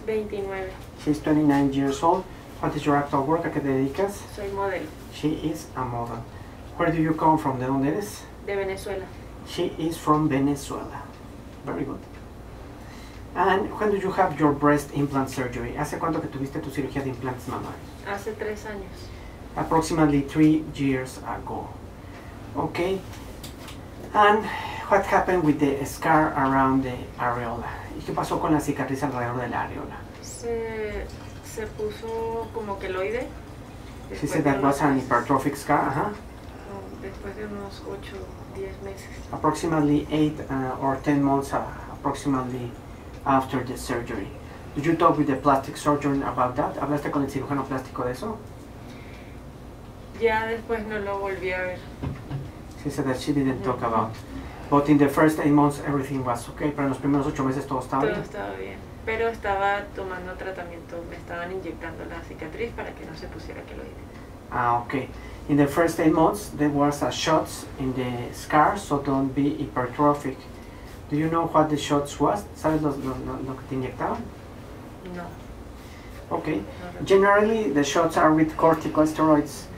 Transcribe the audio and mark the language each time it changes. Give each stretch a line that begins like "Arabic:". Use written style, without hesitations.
English: 29. She's 29 years old. What is your actual work?
Spanish: ¿A qué te dedicas? Soy modelo.
English: She is a model. Where do you come from?
Spanish: ¿De dónde eres? De Venezuela.
English: She is from Venezuela. Very good. And when did you have your breast implant surgery?
Spanish: ¿Hace cuánto que tuviste tu cirugía de implantes mamarios? Hace 3 años.
English: Approximately 3 years ago. Okay. And what happened with the scar around the areola?
Spanish: ¿Y qué pasó con la cicatriz alrededor de la areola? Se puso como keloide. Sí, se derrumbó en
English: hypertrophic scar,
Spanish: ajá. Después de unos 8, 10 meses.
English: Approximately 8 or 10 months, approximately after the surgery. Did you talk with the plastic surgeon about that?
Spanish: ¿Hablaste con el cirujano plástico de eso? Ya después no lo volví a ver.
English: Sí, so that she didn't talk about. But in the first 8 months everything was okay.
Spanish: Pero en los primeros 8 meses todo estaba bien. Todo estaba bien. Pero estaba tomando tratamiento, me estaban inyectando la cicatriz para que no se pusiera keloide.
English: Ah, okay. In the first 8 months there was a shots in the scar, so don't be hypertrophic. Do you know what the shots was?
Spanish: ¿Sabes lo que te inyectaron? No.
English: Okay. No. Generally the shots are with corticosteroids.